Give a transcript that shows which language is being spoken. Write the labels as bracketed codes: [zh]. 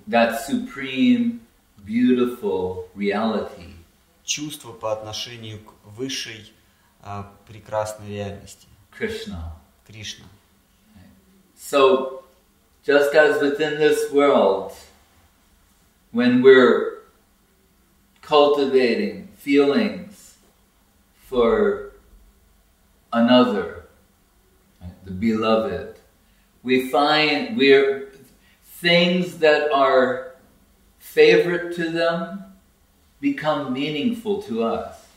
[en] That supreme, beautiful reality. [ru] Чувство по отношению к высшей прекрасной реальности. [en] Krishna. [ru] Кришна. [en] So, just as within this world, when we're cultivating feelings for another, the beloved, we find we're things that are favorite to them become meaningful to us.